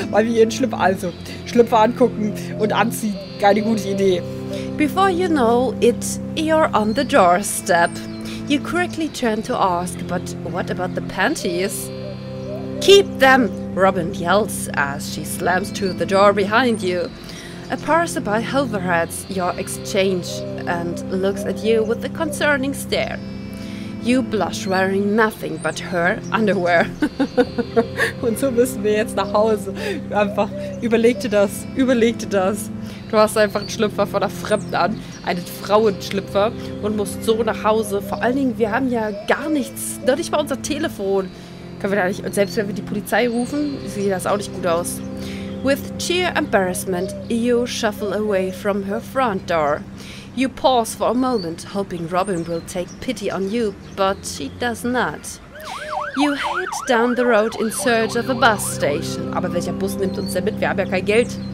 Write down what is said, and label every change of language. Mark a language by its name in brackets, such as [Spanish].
[German] Weil wir ihren Schlüpfer, also Schlüpfer angucken und anziehen. Keine gute Idee. [English] Before you know it, you're on the doorstep. You quickly turn to ask, but what about the panties? Keep them. Robin yells as she slams to the door behind you. A passerby overheads your exchange and looks at you with a concerning stare. You blush wearing nothing but her underwear. [German] Und so müssen wir jetzt nach Hause. Einfach, überleg dir das. Du hast einfach einen Schlüpfer von einer Fremden an, einen Frauenschlüpfer und musst so nach Hause. Vor allen Dingen, wir haben ja gar nichts, noch nicht mal unser Telefon. Können wir da nicht, und selbst wenn wir die Polizei rufen, sieht das auch nicht gut aus. [English] With sheer embarrassment, you shuffle away from her front door. You pause for a moment, hoping Robin will take pity on you, but she does not. You head down the road in search of a bus station. [German] Aber welcher Bus nimmt uns denn mit? Wir haben ja kein Geld.